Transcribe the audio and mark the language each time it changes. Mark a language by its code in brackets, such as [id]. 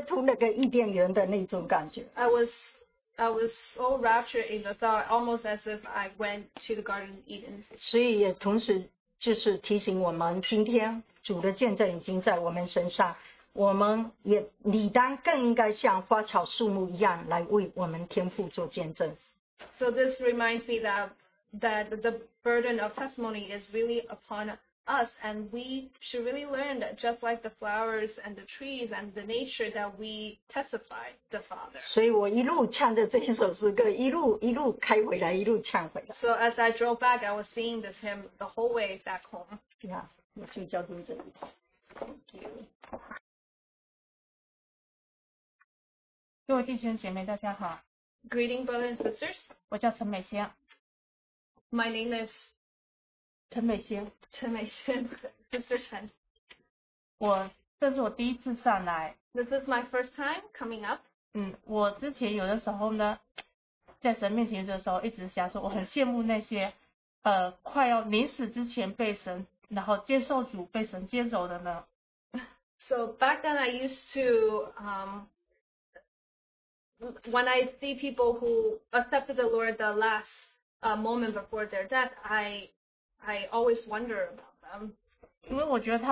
[zh] 好像我整个人浸在好像一个非常美丽的，就是被吐那个伊甸园的那种感觉。 [en] I was so raptured in the thought, almost as if I went to the Garden of Eden. [zh] 所以也同时就是提醒我们，今天主的见证已经在我们身上。我们也理当更应该像花草树木一样来为我们天父做见证。 [en] So this reminds me that the burden of testimony is really upon us, and we should really learn that just like the flowers and the trees and the nature that we testify the Father. [zh] 所以我一路唱着这一首诗歌，一路开回来，一路唱回来。 [en] So as I drove back, I was singing this hymn the whole way back home. Yeah, [zh] 我去交通这里。 [en] Thank you. [zh] 各位弟兄姐妹，大家好。 [en] Greeting, brothers and sisters. [zh] 我叫陈美仙。 [en] My name is [zh] 陈美仙。 [en] Sister Chen. [zh] 这是我第一次上来。 [en] This is my first time coming up. [zh] 我之前有的时候呢，在神面前的时候，一直想说，我很羡慕那些快要临死之前被神，然后接受主被神接走的呢。 [en] So back then I used to when I see people who accepted the Lord the last moment before their death, I always wonder about them.